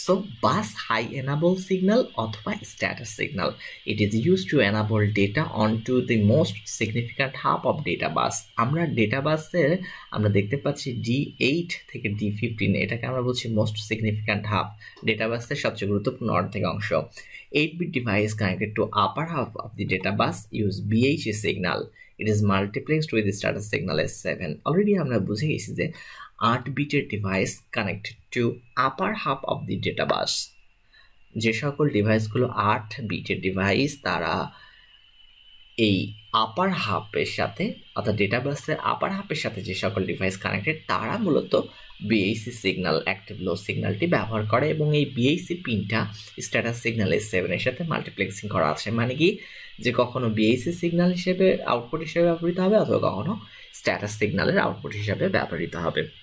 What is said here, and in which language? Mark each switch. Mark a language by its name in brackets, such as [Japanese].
[English] So bus high enable signal অথবা status signal, it is use to enable data on to the most significant half of data bus. [Bangla] আমরা data বাসের আমরা দেখতে পাচ্ছি D8 থেকে D15, এটাকে আমরা বলছি মোস্ট সিগনিফিকেন্ট হাব, ডেটা বাসের সবচেয়ে গুরুত্বপূর্ণ অর্ধেক অংশ। [English] 8-bit device connected to upper half of the data bus use BHE signal. It is multiplexed with the status signal S7. [Bangla] Already আমরা বুঝে গেছি যে [English] 8-bit device connected to upper half of the data bus, [Bangla] যে সকল ডিভাইসগুলো 8-bit device তারা এই আপার হাফের সাথে অর্থাৎ ডেটা বাসের আপার হাফের সাথে যে সকল ডিভাইস কানেক্টেড তারা মূলত বিএইচসি সিগন্যাল অ্যাক্টিভ লো সিগন্যালটি ব্যবহার করে, এবং এই বিএইচসি পিনটা স্ট্যাটাস সিগন্যাল S7-এর সাথে মাল্টিপ্লেক্সিং করা আছে, মানে কি যে কখনও বিএইচসি সিগন্যাল হিসেবে আউটপুট হিসেবে ব্যবহৃত হবে অথবা কখনও স্ট্যাটাস সিগন্যালের আউটপুট হিসাবে ব্যবহৃত হবে।